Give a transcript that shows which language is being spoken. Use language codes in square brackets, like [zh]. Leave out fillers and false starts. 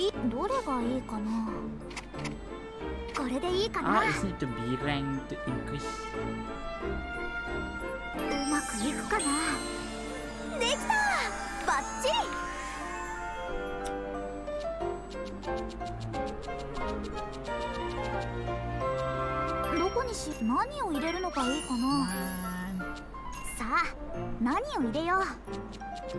[ja] どれがいいかな。これでいいかな。 [en] Ah, it's need to be rank to increase. [ja] うまくいくかな。できた。バッチリ。どこにし、何を入れるのがいいかな。さあ、何を入れよう。